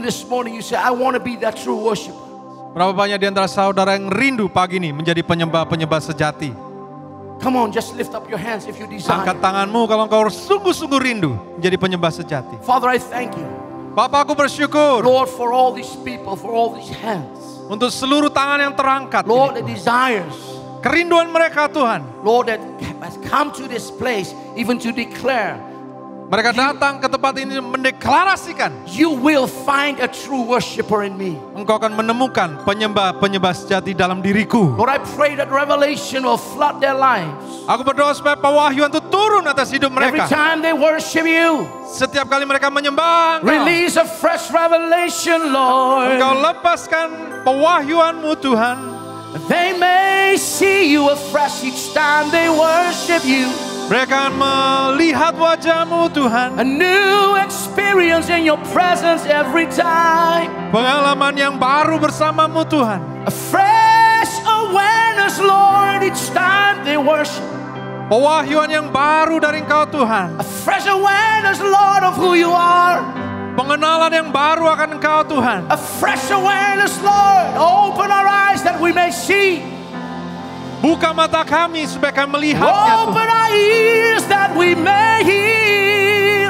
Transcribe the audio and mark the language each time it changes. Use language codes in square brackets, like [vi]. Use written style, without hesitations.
[en] morning you say, I want to be that true worshiper. [id] Berapa banyak di antara saudara yang rindu pagi ini menjadi penyembah-penyembah sejati? [en] Come on, just lift up your hands if you desire. [id] Angkat tanganmu kalau engkau sungguh-sungguh rindu menjadi penyembah sejati. [en] Father, I thank you. [id] Bapa, aku bersyukur. [en] Lord, for all these people, for all these hands. [id] Untuk seluruh tangan yang terangkat. [en] Lord, the desires. [id] Kerinduan mereka Tuhan. [en] Lord, that has come to this place even to declare. [id] Mereka datang ke tempat ini mendeklarasikan. [en] You will find a true worshipper in me. [id] Engkau akan menemukan penyembah-penyembah sejati dalam diriku. [en] Lord, I pray that revelation will flood their lives. [id] Aku berdoa supaya pewahyuan itu turun atas hidup mereka. [en] Every time they worship you. [id] Setiap kali mereka menyembah Engkau. [en] Release a fresh revelation, Lord. [id] Engkau lepaskan pewahyuan-Mu Tuhan. [en] They may see you afresh each time they worship you. [id] Mereka akan melihat wajah-Mu Tuhan. [en] A new experience in your presence every time. [id] Pengalaman yang baru bersama-Mu Tuhan. [en] A fresh awareness, Lord, each time they worship. [id] Pewahyuan yang baru dari Engkau Tuhan. [en] A fresh awareness, Lord, of who you are. [id] Pengenalan yang baru akan Engkau Tuhan. [en] A fresh awareness, Lord, open our eyes that we may see. [id] Buka mata kami supaya kami melihatnya Tuhan. [en] Open our ears that we may hear.